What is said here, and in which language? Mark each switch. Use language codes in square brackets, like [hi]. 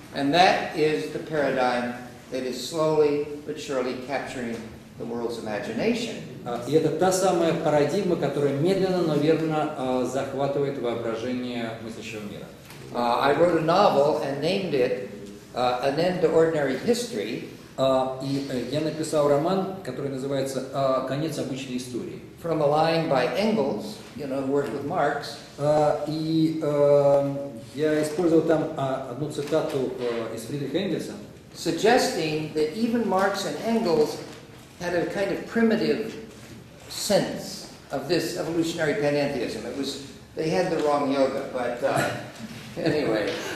[en] And that is the paradigm that is slowly but surely capturing the world's imagination. [ru] И это та самая парадигма, которая медленно, но верно захватывает воображение мыслящего мира. [en] I wrote a novel and named it An End to Ordinary History. [ru] И я написал роман, который называется «Конец обычной истории». [en] From a line by Engels, you know, worked with Marx. [ru] И я использовал там одну цитату из Фридриха Энгельса. [en] Suggesting that even Marx and Engels had a kind of primitive sense of this evolutionary panentheism. It was, they had the wrong yoga, but anyway.